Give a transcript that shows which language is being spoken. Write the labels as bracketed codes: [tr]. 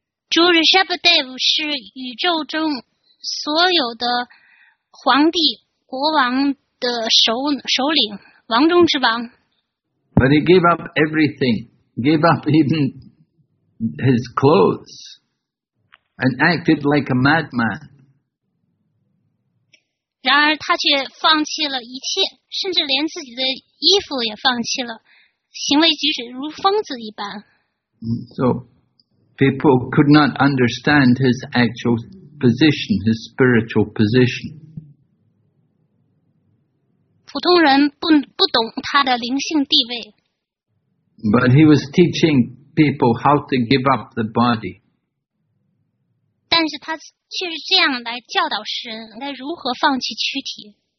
[zh] 主 Rishabhdev 是宇宙中所有的皇帝、国王的首领，王中之王。 [en] But he gave up everything, gave up even his clothes, and acted like a madman. [zh] 然而他却放弃了一切，甚至连自己的衣服也放弃了，行为举止如疯子一般。 [en] So. People could not understand his actual position, his spiritual position. [zh] 普通人不懂他的灵性地位。 [en] But he was teaching people how to give up the body. 但是他却是这样来教导世人，来如何放弃躯体。